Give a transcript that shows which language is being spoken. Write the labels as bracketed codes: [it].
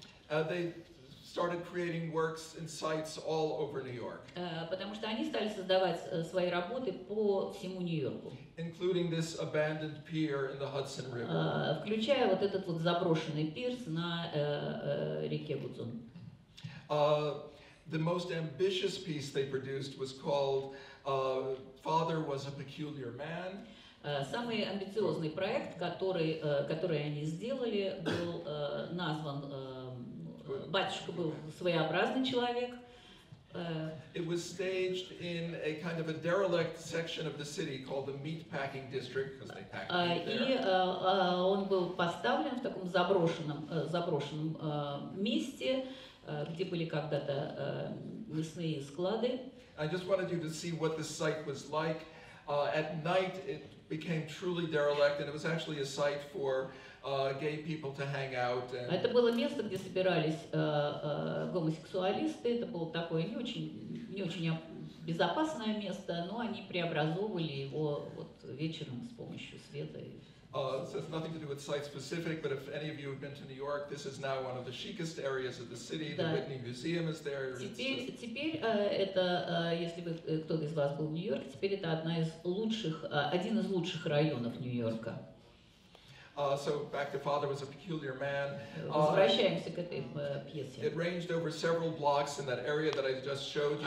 [en] They started creating works and sites all over New York. [ru] Потому что они стали создавать свои работы по всему Нью-Йорку. [en] Including this abandoned pier in the Hudson River. [ru] Включая вот этот вот заброшенный пирс на реке Гудзон. [en] The most ambitious piece they produced was called Father Was a Peculiar Man. [ru] Самый амбициозный проект, который они сделали, был назван «Батюшка был своеобразный человек». [en] It was staged in a kind of a derelict section of the city called the Meatpacking District, because they packed meat there. [ru] И он был поставлен в таком заброшенном месте, где были когда-то мясные склады. [en] I just wanted you to see what the site was like. At night it became truly derelict, and it was actually a site for gay people to hang out. [ru] Это было место, где собирались гомосексуалисты. Это было такое не очень безопасное место, но они преобразовывали его вот вечером с помощью света. [en] So it's nothing to do with site-specific, but if any of you have been to New York, this is now one of the chicest areas of the city. The Whitney Museum is there. [ru] Если бы кто-то из вас был в Нью-Йорке, теперь это один из лучших районов Нью-Йорка. [en] So back to Father Was a Peculiar Man. [ru] Возвращаемся к этой пьесе. [en] It ranged over several blocks in that area that I just showed you.